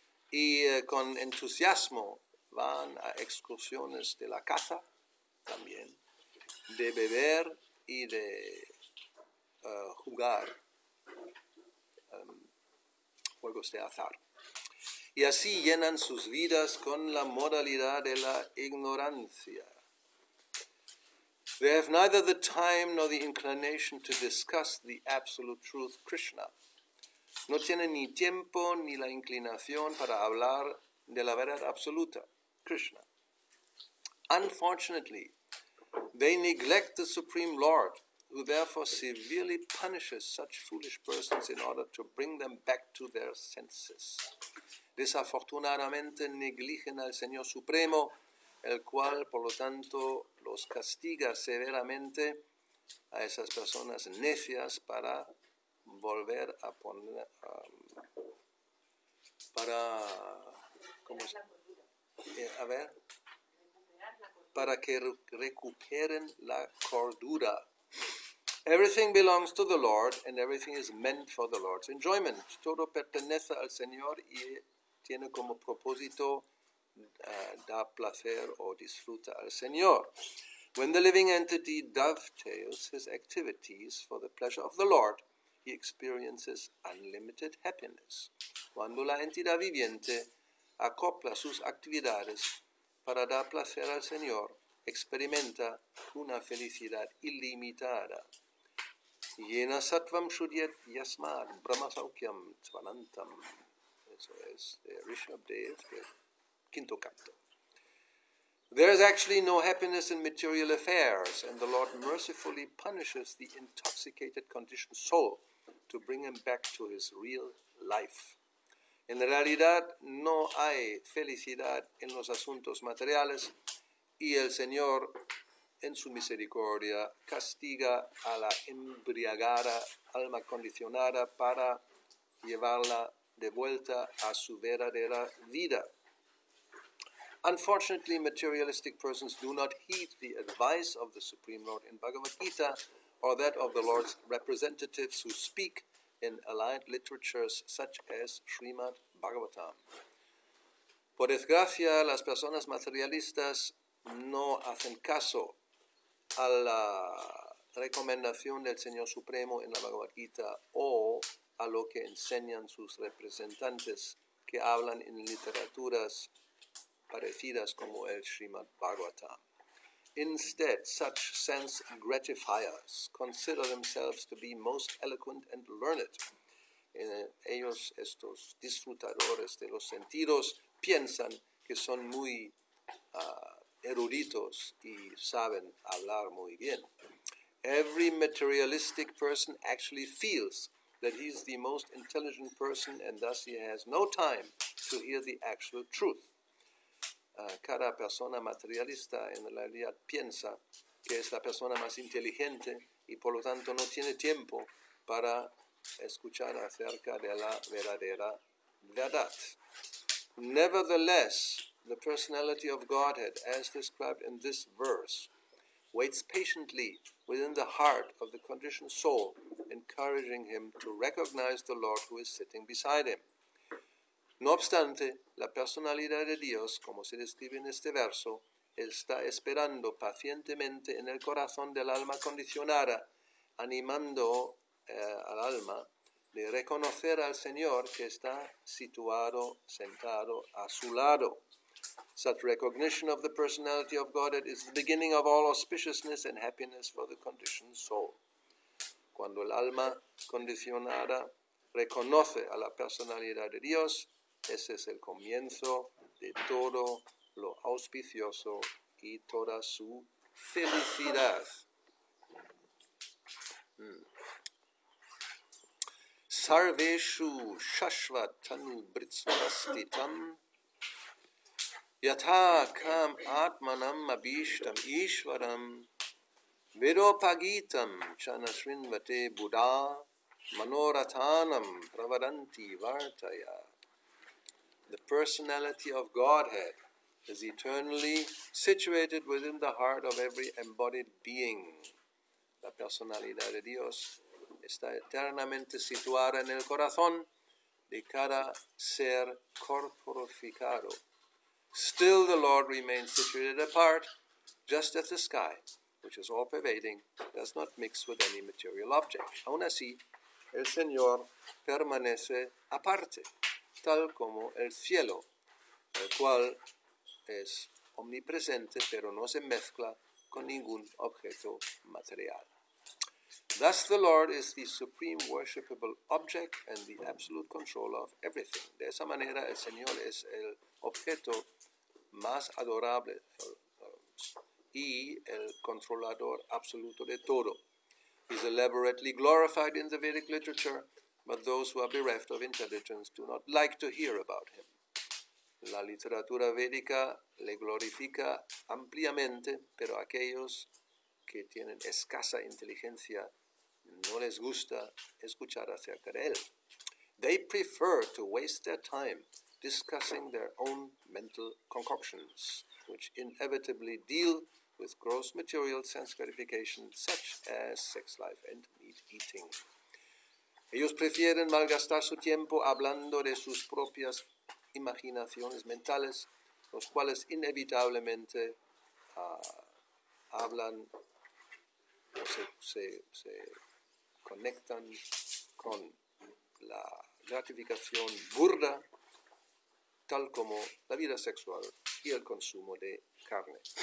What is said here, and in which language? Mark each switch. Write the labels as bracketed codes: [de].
[es] Y con entusiasmo van a excursiones de la caza, también, de beber y de jugar juegos de azar. Y así llenan sus vidas con la modalidad de la ignorancia. [en] They have neither the time nor the inclination to discuss the absolute truth, Krishna. [es] No tienen ni tiempo ni la inclinación para hablar de la verdad absoluta, Krishna. [en] Unfortunately, they neglect the Supreme Lord, who therefore severely punishes such foolish persons in order to bring them back to their senses. [es] Desafortunadamente negligen al Señor Supremo, el cual, por lo tanto, los castiga severamente a esas personas necias para volver a poner, para, ¿cómo es? A ver, para que recuperen la cordura. [en] Everything belongs to the Lord, and everything is meant for the Lord's enjoyment. [es] Todo pertenece al Señor y tiene como propósito dar placer o disfruta al Señor. [en] When the living entity dovetails his activities for the pleasure of the Lord, he experiences unlimited happiness. [es] Cuando la entidad viviente acopla sus actividades para dar placer al Señor, experimenta una felicidad ilimitada. [sa] Yena sattvam shudyat yasmat brahmasaukyam tvanantam. [es] Eso es Rishabhdev, el quinto canto. [en] There is actually no happiness in material affairs, and the Lord mercifully punishes the intoxicated conditioned soul to bring him back to his real life. [es] En realidad, no hay felicidad en los asuntos materiales, y el Señor, en su misericordia, castiga a la embriagada alma condicionada para llevarla de vuelta a su verdadera vida. [en] Unfortunately, materialistic persons do not heed the advice of the Supreme Lord in Bhagavad Gita or that of the Lord's representatives who speak in allied literatures such as Srimad Bhagavatam. [es] Por desgracia, las personas materialistas no hacen caso a la recomendación del Señor Supremo en la Bhagavad Gita o a lo que enseñan sus representantes que hablan en literaturas parecidas como el Srimad Bhagavatam. [en] Instead, such sense gratifiers consider themselves to be most eloquent and learned. [es] Ellos, estos disfrutadores de los sentidos, piensan que son muy eruditos y saben hablar muy bien. [en] Every materialistic person actually feels that he's the most intelligent person and thus he has no time to hear the actual truth. [es] Cada persona materialista en realidad piensa que es la persona más inteligente y por lo tanto no tiene tiempo para escuchar acerca de la verdadera verdad. [en] Nevertheless, the personality of Godhead, as described in this verse, waits patiently within the heart of the conditioned soul, encouraging him to recognize the Lord who is sitting beside him. [es] No obstante, la personalidad de Dios, como se describe en este verso, está esperando pacientemente en el corazón del alma condicionada, animando al alma de reconocer al Señor que está situado, sentado a su lado. [en] Such recognition of the personality of Godhead is the beginning of all auspiciousness and happiness for the conditioned soul. [es] Cuando el alma condicionada reconoce a la personalidad de Dios, ese es el comienzo de todo lo auspicioso y toda su felicidad. [sa] Sarveshu shashvat tanu britsvasti tam yatha kam atmanam abhishtam ishvaram vidopagitam chanashvinvate buddha manoratanam pravadanti vartaya. [en] The personality of Godhead is eternally situated within the heart of every embodied being. [es] La personalidad de Dios está eternamente situada en el corazón de cada ser corporificado. [en] Still the Lord remains situated apart, just as the sky, which is all-pervading, does not mix with any material object. [es] Aun así, el Señor permanece aparte, tal como el cielo, el cual es omnipresente, pero no se mezcla con ningún objeto material. [en] Thus the Lord is the supreme worshipable object and the absolute controller of everything. [es] De esa manera, el Señor es el objeto más adorable y el controlador absoluto de todo. [en] He is elaborately glorified in the Vedic literature, but those who are bereft of intelligence do not like to hear about him. [es] La literatura védica le glorifica ampliamente, pero aquellos que tienen escasa inteligencia no les gusta escuchar acerca de él. [en] They prefer to waste their time discussing their own mental concoctions, which inevitably deal with gross material sense gratification, such as sex life and meat eating. [es] Ellos prefieren malgastar su tiempo hablando de sus propias imaginaciones mentales, los cuales inevitablemente hablan o se conectan con la gratificación burda, tal como la vida sexual y el consumo de carne.